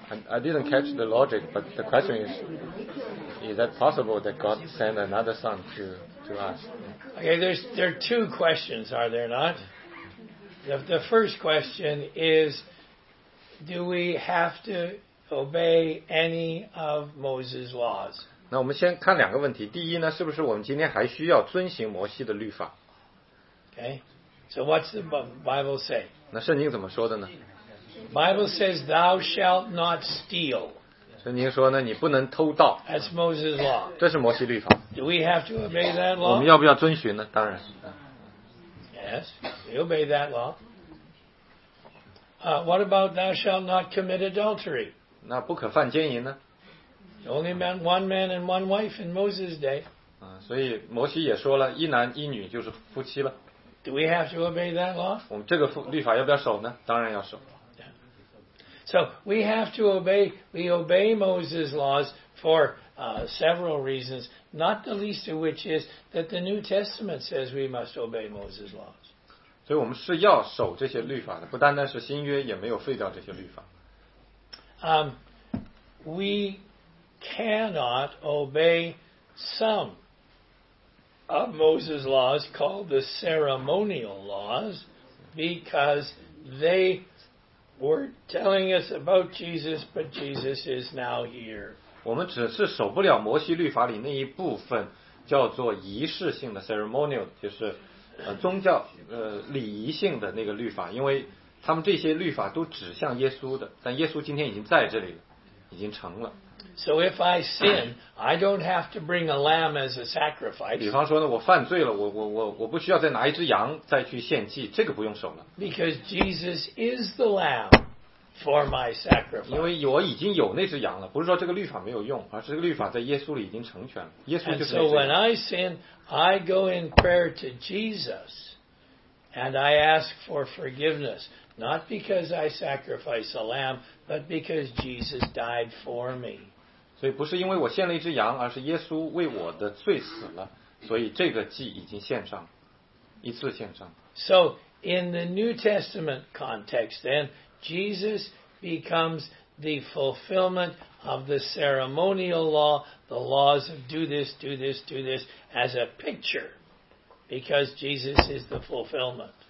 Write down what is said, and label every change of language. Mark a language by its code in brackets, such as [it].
[en] I didn't catch the logic, but the question is that possible that God send another son to us? Okay, there are two questions, are there not? The first question is, do we have to obey any of Moses' laws. [zh] 那我们先看两个问题。第一呢，是不是我们今天还需要遵行摩西的律法？ [en] Okay. So what's the Bible say? [zh] 那圣经怎么说的呢？ [en] Bible says, "Thou shalt not steal." [zh] 圣经说呢，你不能偷盗。 [en] That's Moses' law. [zh] 这是摩西律法。 [en] Do we have to obey that law? [zh] 我们要不要遵循呢？当然。 [en] Yes, we obey that law. What about thou shalt not commit adultery? [zh] 那不可犯奸淫呢？ [en] Only meant one man and one wife in Moses' day. [zh] 所以摩西也说了，一男一女就是夫妻了。 [en] Do we have to obey that law? [zh] 我们这个律法要不要守呢？当然要守。 [en] Yeah. So we have to obey. We obey Moses' laws for several reasons, not the least of which is that the New Testament says we must obey Moses' laws. [zh] 所以我们是要守这些律法的，不单单是新约，也没有废掉这些律法。 [en] We cannot obey some of Moses' laws called the ceremonial laws because they were telling us about Jesus, but Jesus is now here. [zh] 我们只是守不了摩西律法里那一部分叫做仪式性的 ceremonial， 就是宗教礼仪性的那个律法，因为他们这些律法都指向耶稣的，但耶稣今天已经在这里了，已经成了。 [en] So if I sin, I don't have to bring a lamb as a sacrifice. [zh] 比方说呢，我犯罪了，我不需要再拿一只羊再去献祭，这个不用守了。 [en] Because Jesus is the lamb for my sacrifice. [zh] 因为我已经有那只羊了，不是说这个律法没有用，而是这个律法在耶稣里已经成全了。耶稣就是那只羊。 [en] And so when I sin, I go in prayer to Jesus, and I ask for forgiveness. Not because I sacrifice a lamb, but because Jesus died for me. [zh] 所以不是因为我献了一只羊，而是耶稣为我的罪死了，所以这个祭已经献上，一次献上。 [en] So in the New Testament context, then Jesus becomes the fulfillment of the ceremonial law, the laws of do this, do this, do this, as a picture, because Jesus is the fulfillment.